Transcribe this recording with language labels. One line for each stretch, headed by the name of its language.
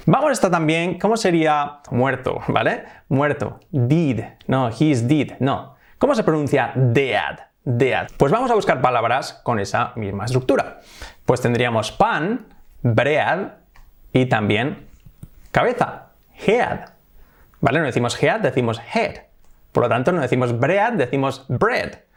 Spanish: Vamos a esta también, ¿cómo sería muerto, ¿vale?
English: Muerto, dead, no, he's dead, no.
Spanish: ¿Cómo se pronuncia dead, dead? Pues vamos a buscar palabras con esa misma estructura. Pues tendríamos pan, bread y también cabeza, head. ¿Vale? No decimos head, decimos head. Por lo tanto, no decimos bread, decimos bread.